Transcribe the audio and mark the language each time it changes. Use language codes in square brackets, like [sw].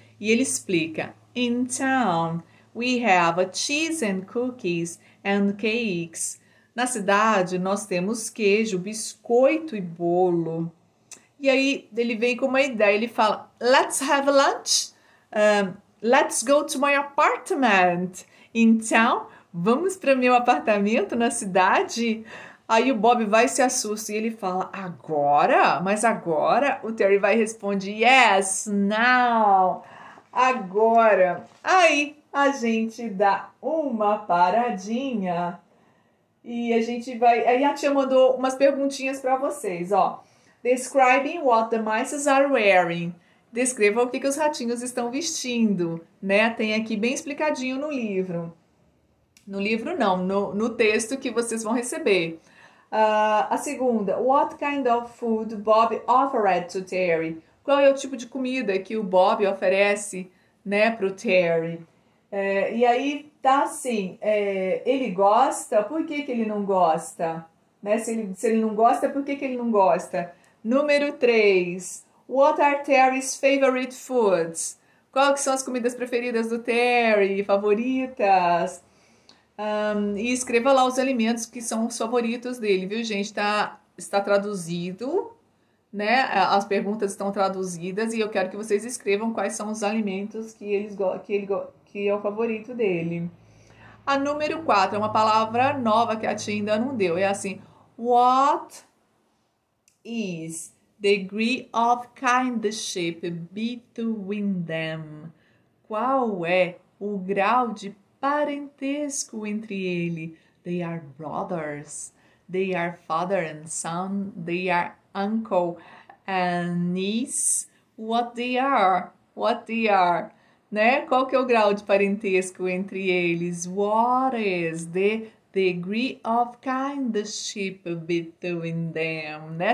[pt] E ele explica: [en] In town, we have cheese and cookies and cakes. [pt] Na cidade, nós temos queijo, biscoito e bolo. E aí ele vem com uma ideia, ele fala: [en] Let's have lunch. Let's go to my apartment. [pt] Então, vamos para meu apartamento na cidade? Aí o Bob vai se assusta e ele fala: Agora? Mas agora? O Terry vai responde: [en] Yes, now. [pt] Agora. Aí a gente dá uma paradinha e a gente vai. Aí a tia mandou umas perguntinhas para vocês, ó. [en] Describing what the mice are wearing. [pt] Descreva o que os ratinhos estão vestindo, né? Tem aqui bem explicadinho no livro. No livro não, no texto que vocês vão receber. A segunda, [en] what kind of food Bob offered to Terry? [pt] Qual é o tipo de comida que o Bob oferece, né, para o Terry? E aí tá assim, ele gosta? Por que que ele não gosta? Né? Se ele não gosta, por que que ele não gosta? Número 3. [en] What are Terry's favorite foods? [pt] Qual que são as comidas preferidas do Terry? Favoritas? E escreva lá os alimentos que são os favoritos dele, viu, gente? Está traduzido, né? As perguntas estão traduzidas e eu quero que vocês escrevam quais são os alimentos que é o favorito dele. A número 4 é uma palavra nova que a tia ainda não deu. É assim: [en] What is degree of kindship between them? [pt] Qual é o grau de parentesco entre ele? [en] They are brothers. They are father and son. They are uncle and niece. What they are? What they are? Né? [pt] Qual que é o grau de parentesco entre eles? [en] What is the degree of kindship between them, né?